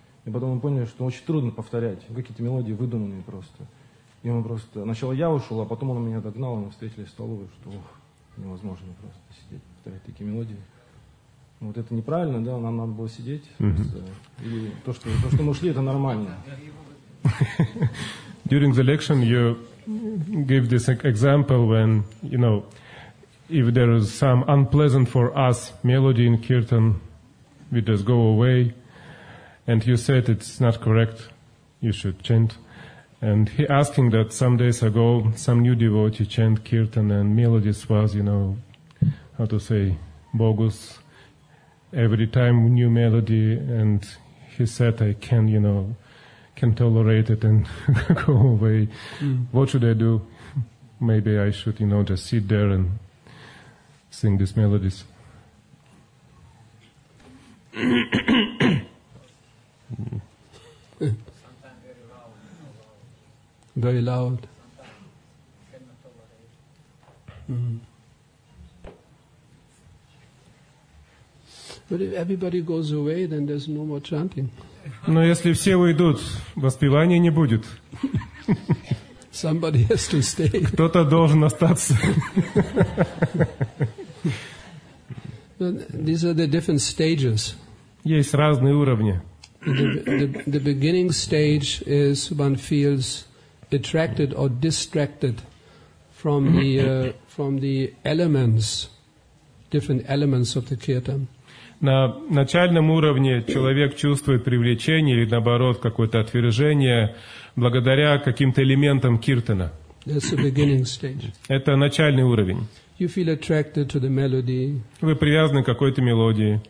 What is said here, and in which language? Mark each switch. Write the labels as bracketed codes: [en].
[ru] И потом мы поняли, что очень трудно повторять. Какие-то мелодии выдуманные просто. И он просто... Сначала я ушел, а потом он меня догнал, и мы встретились в столовой, что ох, невозможно просто сидеть. Такие мелодии. Вот это неправильно, да? Нам надо было сидеть. Mm-hmm. И то, что мы ушли, это нормально. [en] During the election, you gave this example when, you know, if there is some unpleasant for us melody in kirtan, we just go away. And you said it's not correct. You should chant. And he asking that some days ago, some new devotee chant kirtan and melodies was, you know, how to say, bogus, every time new melody, and he said, I can, you know, can tolerate it and go away. Mm. What should I do? maybe I should, you know, just sit there and sing these melodies. Very loud. But if everybody goes away, then there's no more chanting. [ru] Но если все уйдут, воспевания не будет. [en] Somebody has to stay. [ru] Кто-то должен остаться. [en] But these are the different stages. [ru] Есть разные уровни. [en] The beginning stage is one feels attracted or distracted from the elements, different elements of the kirtan. [ru] На начальном уровне человек чувствует привлечение или, наоборот, какое-то отвержение благодаря каким-то элементам киртана. [en] That's the beginning stage. [ru] Это начальный уровень. [en] You feel attracted to the melody. [ru] Вы привязаны к какой-то мелодии.